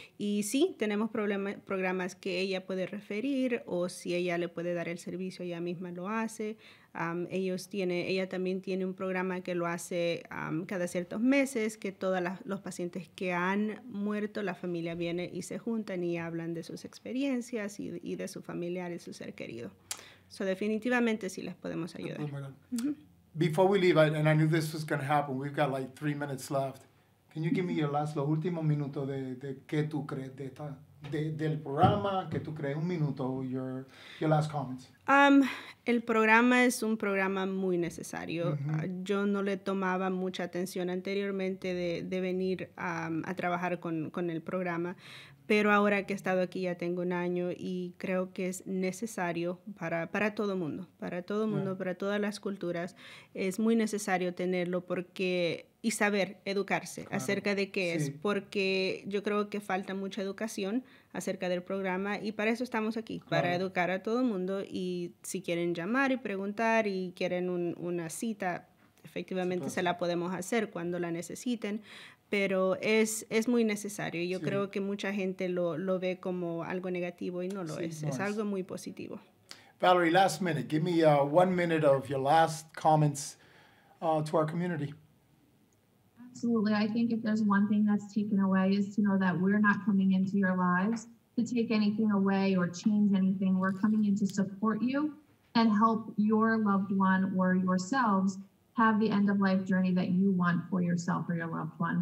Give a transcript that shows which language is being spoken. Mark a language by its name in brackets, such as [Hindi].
[Spanish] Y sí, tenemos programas que ella puede referir, o si ella le puede dar el servicio, ella misma lo hace. Ella también tiene un programa que lo hace cada ciertos meses, que todos los pacientes que han muerto, la familia viene y se juntan y hablan de sus experiencias y de su familiar y su ser querido. So definitivamente sí les podemos ayudar. [English] Before we leave, and I knew this was going to happen, we've got like 3 minutes left. Can you give me your last, [Spanish] los últimos minutos de qué tú crees de esta, del programa, que tú crees, un minuto, [English] your last comments. [Spanish] El programa es un programa muy necesario. Mm-hmm. Yo no le tomaba mucha atención anteriormente de venir a trabajar con el programa, pero ahora que he estado aquí ya tengo un año y creo que es necesario para todo mundo, para todo mundo, para todas las culturas. Es muy necesario tenerlo porque y saber educarse acerca de qué es, porque yo creo que falta mucha educación acerca del programa y para eso estamos aquí, para educar a todo mundo. Y si quieren llamar y preguntar y quieren una cita, efectivamente se la podemos hacer cuando la necesiten. Pero es muy necesario. Yo creo que mucha gente lo ve como algo negativo y no lo es. Es algo muy positivo. [English] Valerie, last minute. Give me 1 minute of your last comments to our community. Absolutely. I think if there's one thing that's taken away is to know that we're not coming into your lives to take anything away or change anything. We're coming in to support you and help your loved one or yourselves have the end of life journey that you want for yourself or your loved one.